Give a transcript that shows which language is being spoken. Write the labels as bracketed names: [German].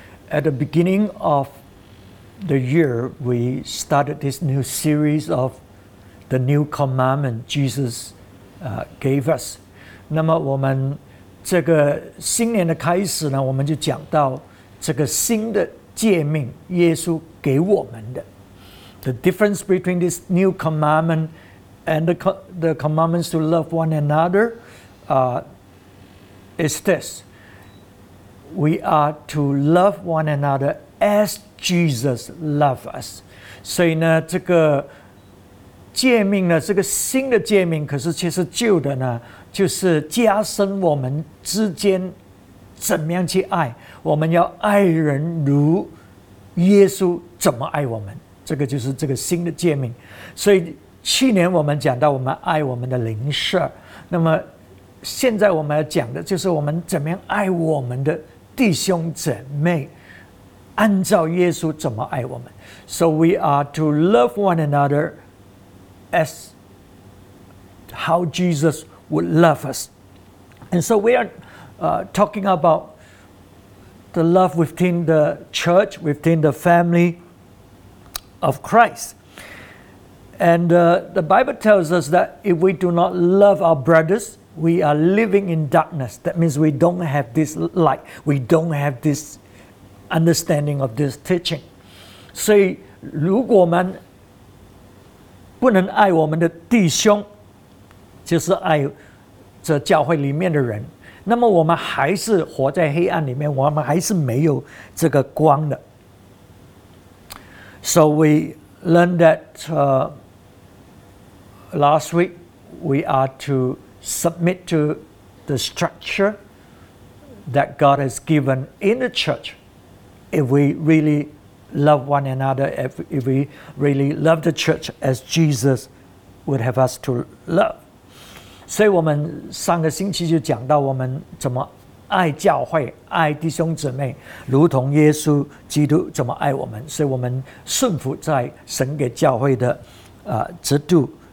[English] At the beginning of the year, we started this new series of the new commandment Jesus gave us. [Chinese] 那么我们这个新年的开始呢，我们就讲到这个新的诫命，耶稣给我们的。 [English] The difference between this new commandment and the commandments to love one another. Is this, we are to love one another as Jesus loved us. [Chinese] 所以呢，这个诫命呢，这个新的诫命，可是却是旧的呢，就是加深我们之间怎么样去爱，我们要爱人如耶稣怎么爱我们，这个就是这个新的诫命。所以去年我们讲到我们爱我们的邻舍，那么现在我们要讲的就是我们怎么样爱我们的弟兄姊妹，按照耶稣怎么爱我们。 [English] So we are to love one another as how Jesus would love us. And so we are talking about the love within the church, within the family of Christ. And the Bible tells us that if we do not love our brothers, we are living in darkness. That means we don't have this light. We don't have this understanding of this teaching. [Chinese] 所以如果我们不能爱我们的弟兄，就是爱这教会里面的人，那么我们还是活在黑暗里面，我们还是没有这个光的。 [English] So we learn that... Last week, we are to submit to the structure that God has given in the church. If we really love one another, if we really love the church as Jesus would have us to love. [Chinese] 所以我们上个星期就讲到我们怎么爱教会，爱弟兄姊妹，如同耶稣基督怎么爱我们。所以我们顺服在神给教会的制度。